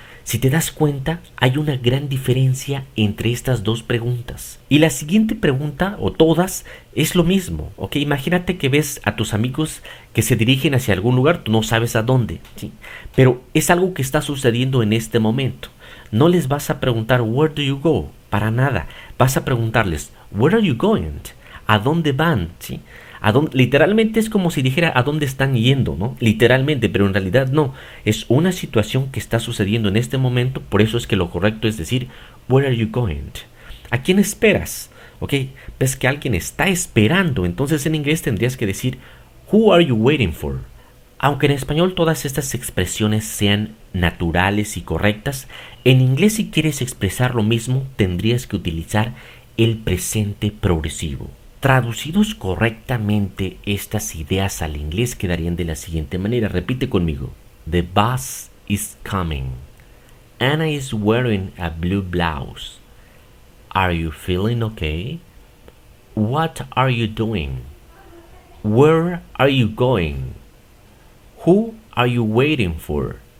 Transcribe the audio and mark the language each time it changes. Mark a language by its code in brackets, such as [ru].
[es] Si te das cuenta, hay una gran diferencia entre estas dos preguntas. Y la siguiente pregunta, o todas, es lo mismo. ¿Ok? Imagínate que ves a tus amigos que se dirigen hacia algún lugar, tú no sabes a dónde, ¿sí? Pero es algo que está sucediendo en este momento. No les vas a preguntar, [en] where do you go? [es] Para nada. Vas a preguntarles, [en] where are you going? [es] ¿A dónde van? ¿Sí? ¿A dónde? Literalmente es como si dijera a dónde están yendo, ¿no? Literalmente, pero en realidad no. Es una situación que está sucediendo en este momento, por eso es que lo correcto es decir, [en] where are you going? [es] ¿A quién esperas? ¿Ok? Ves que alguien está esperando, entonces en inglés tendrías que decir, [en] who are you waiting for? [es] Aunque en español todas estas expresiones sean naturales y correctas, en inglés si quieres expresar lo mismo tendrías que utilizar el presente progresivo. Traducidos correctamente estas ideas al inglés quedarían de la siguiente manera. Repite conmigo. [en] The bus is coming. Anna is wearing a blue blouse. Are you feeling okay? What are you doing? Where are you going? Who are you waiting for?